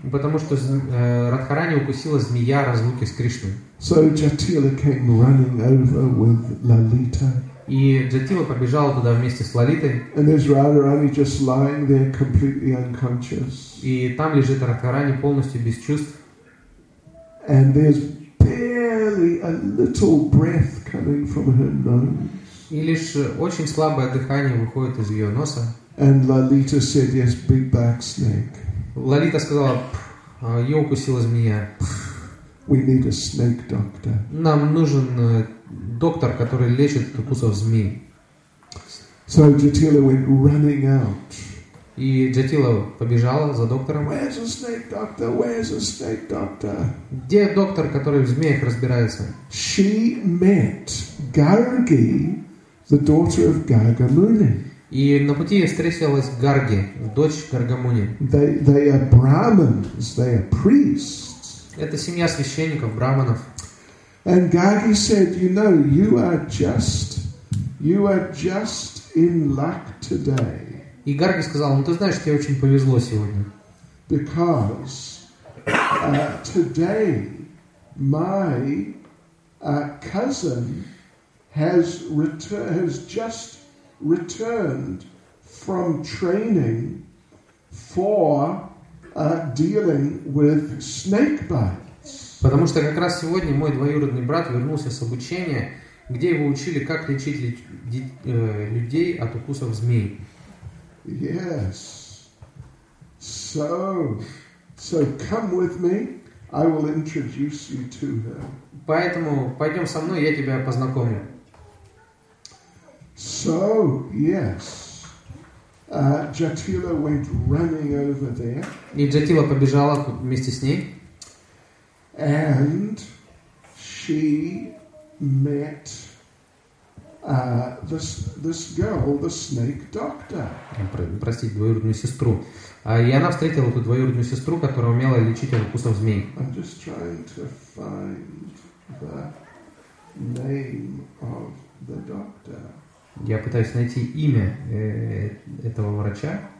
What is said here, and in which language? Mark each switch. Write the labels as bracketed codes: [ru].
[ru] Потому что Радхарани укусила змея разлуки с Кришной. [en] So Jatila came running over with Lalita. [ru] И Джатила побежала туда вместе с Лалитой. [en] And there's Radharani just lying there completely unconscious. [ru] И там лежит Радхарани полностью без чувств. [en] And there's barely a little breath coming from her nose. [ru] И лишь очень слабое дыхание выходит из ее носа. [en] And Lalita said, "Yes, big black snake." [ru] Лалита сказала, ее укусила змея. [en] We need a snake doctor. [ru] Нам нужен доктор, который лечит укусов змей. [en] So Jatila went running out. [ru] И Джатила побежала за доктором. [en] Where's the snake doctor? Where's the snake doctor? [ru] Где доктор, который в змеях разбирается? [en] She met Gargi, the daughter of Gargamuni. [ru] И на пути встретилась Гарги, дочь Гаргамуни. [en] They are Brahmins. They are priests. [ru] Это семья священников, браманов. [en] And Gargi said, "You know, you are just in luck today." [ru] И Гарги сказал, ну ты знаешь, тебе очень повезло сегодня. [en] Because today my cousin has just returned from training for dealing with snake bites. [ru] Потому что как раз сегодня мой двоюродный брат вернулся с обучения, где его учили, как лечить людей от укусов змей. [en] Yes. So come with me. I will introduce you to her. [ru] Поэтому пойдем со мной, я тебя познакомлю. [en] So, yes. Jatila went running over there. [ru] И Джатила побежала вместе с ней. [en] And she met this girl, the snake doctor. [ru] Простите, двоюродную сестру. И она встретила эту двоюродную сестру, которая умела лечить от укусов змей. [en] I'm just trying to find the name of the doctor. [ru] Я пытаюсь найти имя этого врача.